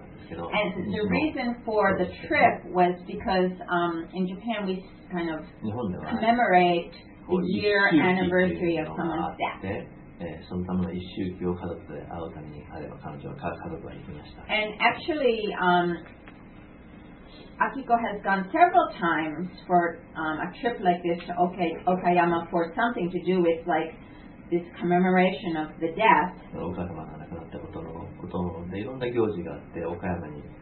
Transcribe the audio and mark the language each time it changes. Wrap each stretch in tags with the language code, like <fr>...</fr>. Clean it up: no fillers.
<en>And the reason for the trip was because in Japan we kind of commemorate the year anniversary of someone's death.</en> <ja>そのための一周期を家族で会うために彼は彼女は家族は行きました。</ja> <en>And actually, Akiko has gone several times for a trip like this to Okayama for something to do with like this commemoration of the death.</en> <ja>お母様が亡くなったことのことでいろんな行事があって岡山に。</ja>